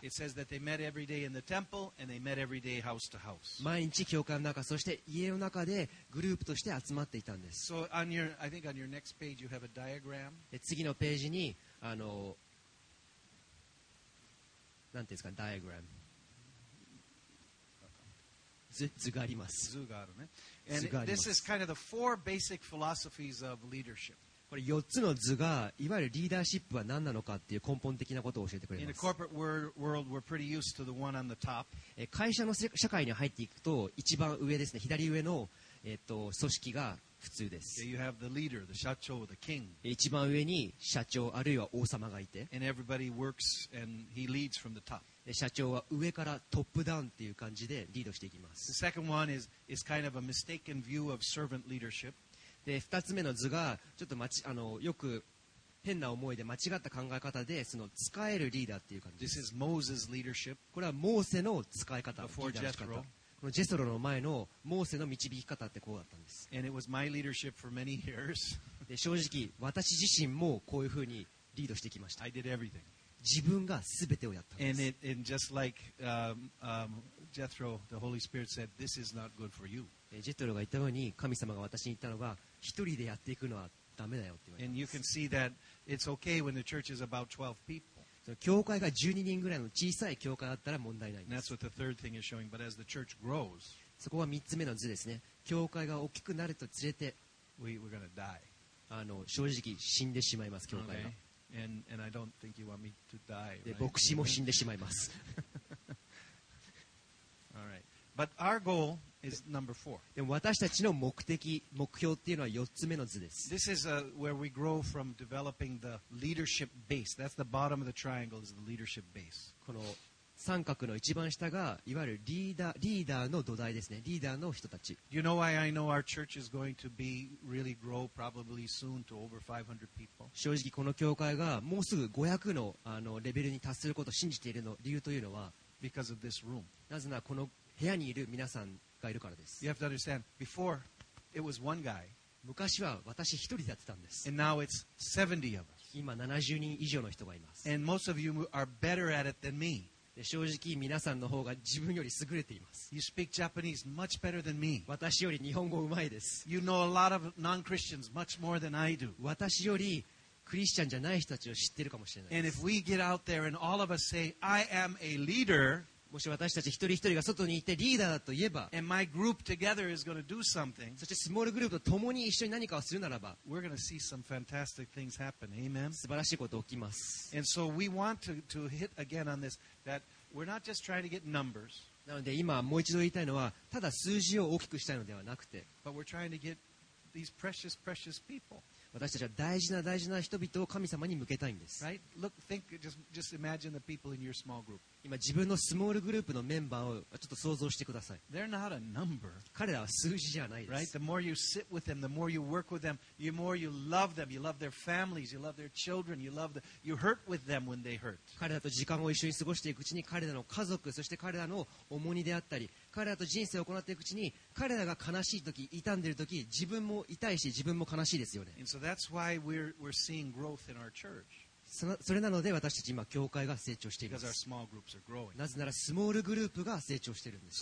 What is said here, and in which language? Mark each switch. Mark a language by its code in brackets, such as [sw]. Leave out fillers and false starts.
[en] It says that they met every day in the temple and they met every day house to house. [ja] 毎日教会の中そして家の中でグループとして集まっていたんです。 [en] So on your, I think on your next page you have a diagram. [ja] 次のページにあの、なんていうんですか、diagram。図があります。図があるね。 [en] And this is kind of the four basic philosophies of leadership. [ja] これ4つの図がいわゆるリーダーシップは何なのかっていう根本的なことを教えてくれます。 [en] In a corporate world, we're pretty used to the one on the top. [ja] 会社の社会に入っていくと一番上ですね、左上の組織が普通です。 [en] You have the leader, the 社長, the king. [ja] 一番上に社長あるいは王様がいて。 [en] And everybody works and he leads from the top. [ja] 社長は上からトップダウンっていう感じでリードしていきます。 [en] The second one is kind of a mistaken view of servant leadership. [ja] で、2つ目の図がちょっとよく変な思いで間違った考え方でその使えるリーダーっていう感じです。 [en] This is Moses' leadership. [ja] これはモーセの使い方、 [en] Before Jethro. [ja] このジェスロの前のモーセの導き方ってこうだったんです。 [en] And it was my leadership for many years. [ja] で、正直私自身もこういうふうにリードしてきました。 [en] I did everything. [ja] 自分が全てをやったんです。 [en] And, and just like Jethro, the Holy Spirit said, this is not good for you. [ja] Jethro が言ったように、神様が私に言ったのが、一人でやっていくのはダメだよって言われた。 [en] And you can see that it's okay when the church is about 12 people. [ja] 教会が12人ぐらいの小さい教会だったら問題ないんです。 [en] That's what the third thing is showing. But as the church grows, [ja] そこは3つ目の図ですね。教会が大きくなるとつれて、 [en] we're gonna die. [ja] 正直死んでしまいます、教会が。 [en] Okay. And I don't think you want me to die. [ja] で、牧師も死んでしまいます。 [en] All right. But our goal is number four. [ja] でも私たちの目的、目標っていうのは4つ目の図です。 [en] This is where we grow from developing the leadership base. That's the bottom of the triangle is the leadership base. [ja] この三角の一番下がいわゆるリーダーの土台ですね。リーダーの人たち。 [en] You know why I know our church is going to be really grow probably soon to over 500 people? [ja] 正直この教会がもうすぐ500 の, あのレベルに達することを信じているの理由というのは [en] Because of this room. [ja] なぜならこの部屋にいる皆さんがいるからです。 [en] You have to understand, before it was one guy. [ja] 昔は私一人でやってたんです。 [en] And now it's 70 of us. [ja] 今70人以上の人がいます。 [en] And most of you are better at it than me. [ja] 正直皆さんの方が自分より優れています。 [en] You speak Japanese much better than me. [ja] 私より日本語上手いです。 [en] You know a lot of non-Christians much more than I do. [ja] 私よりクリスチャンじゃない人たちを知ってるかもしれないです。 [en] And if we get out there and all of us say, I am a leader, [ja] もし私たち一人一人が外に行ってリーダーだと言えば、 [en] And my group together is going to do something, [ja] そしてスモールグループと共に一緒に何かをするならば、 [en] we're going to see some fantastic things happen. Amen. [ja] 素晴らしいこと起きます。 [en] And so we want to hit again on this. That we're not just trying to get numbers, [ja] なので今もう一度言いたいのはただ数字を大きくしたいのではなくて [en] but we're trying to get these precious, precious people. [ja] 私たちは大事な大事な人々を神様に向けたいんです、 [en] right? Look, think, just imagine the people in your small group. [ja] 今自分のスモールグループのメンバーをちょっと想像してください [en] They're not a number. [ja] 彼らは数字じゃないです、 [en] right? The more you sit with them, the more you work with them, the more you love them, you love their families, you love their children, you hurt with them when they hurt. [ja] 彼らと時間を一緒に過ごしていくうちに彼らの家族そして彼らの重荷であったり彼らと人生を行っていくうちに彼らが悲しいとき痛んでいるとき自分も痛いし自分も悲しいですよね。 [en] And so that's why we're seeing growth in our church. [ja] それなので私たち今教会が成長しています。 [en] Because our small groups are growing. [ja] なぜならスモールグループが成長しているんです。